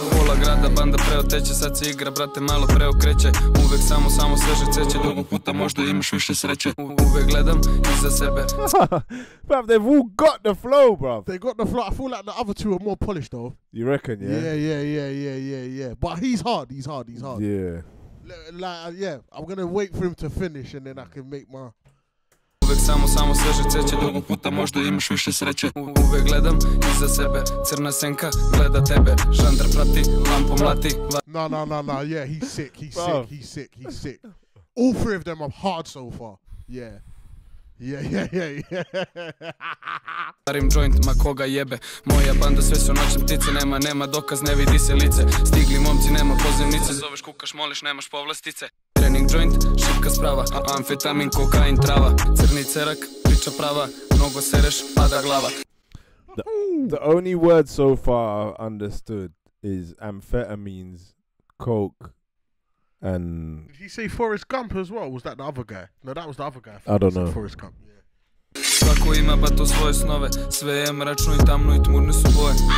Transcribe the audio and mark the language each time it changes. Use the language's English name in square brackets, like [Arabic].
[Serbian] Pola grada, banda preoteće, sad se igra, brate, malo preokreće, uvek samo, samo sveže ceće, drugog puta možda imaš više sreće, uvek gledam iza sebe. [English] Bruv, they've all got the flow, bruv. They got the flow. I feel like the other two are more polished, though. You reckon, yeah? Yeah. But he's hard. Yeah. Like, yeah, I'm gonna wait for him to finish and then I can make my. [Serbian] Uvek samo, samo sveže ceće, drugog puta možda imaš više sreće. Uvek gledam iza sebe, crna senka gleda tebe, žandar prati, lampo mlati. [English] No, yeah, he's sick. All three of them are hard so far, yeah. [Serbian] Yeah. Starim joint, ma koga jebe. Moja banda sve su noćne ptice, nema dokaz, ne vidi se lice. Stigli momci, nema pozivnice. Zoveš, kukaš, moliš, nemaš povlastice. Training joint, šipka sprava, amfetamin, kokain, trava. Crni cerak, priča prava, mnogo sereš, pada glava. [English] The only word so far I've understood is amphetamines, coke, and did he say Forrest Gump as well? Was that the other guy? No, that was the other guy. I don't know. [Serbian] Forrest Gump. Svako ima bato svoje snove, sve je mračno i tamno i tmurne su boje.